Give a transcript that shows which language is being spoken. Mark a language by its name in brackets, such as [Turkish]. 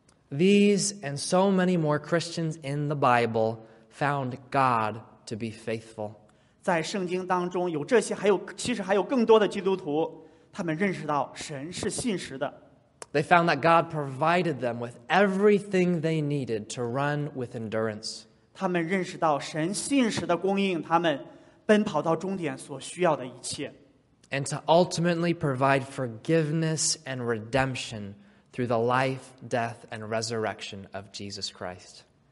[English] these and so many more Christians in the Bible found God to be faithful. [Chinese] 在圣经当中, 有这些还有, 其实还有更多的基督徒, 他们认识到神是信实的。 [English] They found that God provided them with everything they needed to run with endurance. [Chinese] 他们认识到神信实地供应他们奔跑到终点所需要的一切。 [English] And to ultimately provide forgiveness and redemption through the life, death, and resurrection of Jesus Christ.